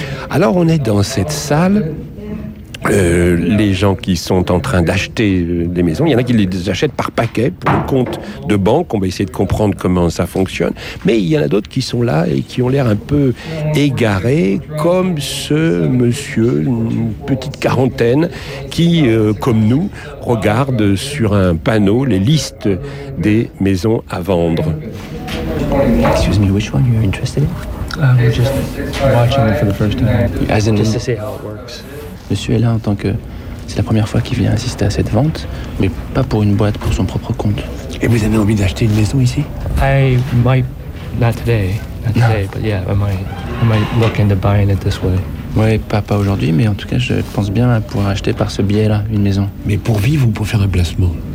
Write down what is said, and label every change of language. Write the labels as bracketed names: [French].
[French] Alors on est dans cette salle, les gens qui sont en train d'acheter des maisons, il y en a qui les achètent par paquet pour le compte de banque, on va essayer de comprendre comment ça fonctionne, mais il y en a d'autres qui sont là et qui ont l'air un peu égarés, comme ce monsieur, une petite quarantaine, qui, comme nous, regarde sur un panneau les listes des maisons à vendre. [English] Excuse me, which one you're interested in? Just watching it for the first time. As in, just to see how it works. [French] Monsieur est là en tant que... C'est la première fois qu'il vient assister à cette vente, mais pas pour une boîte, pour son propre compte. Et vous avez envie d'acheter une maison ici? [English] I might... Not today. Not today, but yeah, I might look into buying it this way. [French] Oui, pas aujourd'hui, mais en tout cas, je pense bien à pouvoir acheter par ce biais-là une maison. Mais pour vivre ou pour faire un placement?